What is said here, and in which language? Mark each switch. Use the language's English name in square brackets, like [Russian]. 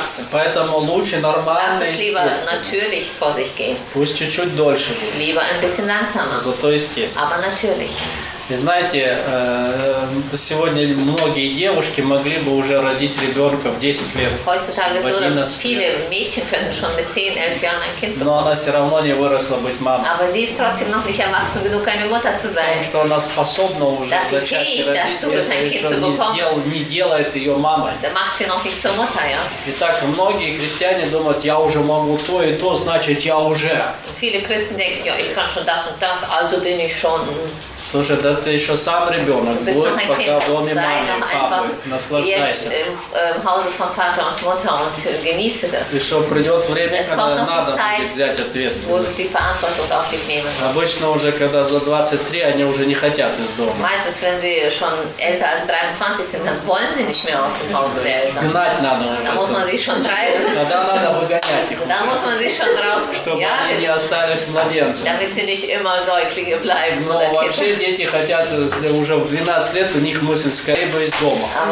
[Russian] Поэтому лучше нормально естественно. Пусть чуть-чуть дольше будет. Зато естественно. И знаете, сегодня многие девушки могли бы уже родить ребенка в 10 лет, [German] heutzutage [Russian] в 11 лет. [German] Viele Mädchen könnten schon mit 10, 11 Jahren ein Kind bekommen. [Russian] Но она все равно не выросла быть мамой. [German] Aber sie ist trotzdem noch nicht erwachsen genug, eine Mutter zu sein. [Russian] Потому что она способна уже зачать и родить, если еще не делает ее мамой. [German] Das macht sie noch nicht zur Mutter, ja. [Russian] Итак, многие христиане думают, я уже могу то и то, значит, я уже. [German] Viele Christen denken, ja, ich kann schon das und das, also bin ich schon... [Russian] Слушай, да ты еще сам ребенок, будь пока в доме мамы и папы, наслаждайся. В хаузе [German] von Vater und Mutter und genieße das. [Russian] И что придет время, когда надо будет взять ответственность. [German] Die Verantwortung auf dich nehmen. [Russian] Обычно уже, когда за 23, они уже не хотят из дома. [German] Meistens, wenn sie schon älter als 23 sind, dann wollen sie nicht mehr aus dem Hause werden. [Russian] Гнать надо уже. [German] Da muss man sie schon treiben. [Russian] Тогда надо выгонять их. [German] Da muss man sie schon raus. [Russian] Чтобы они не остались младенцами. [German] Damit sie nicht immer Säuglinge bleiben. [Russian] Все дети хотят уже в 12 лет, у них мысль скорее бы из дома.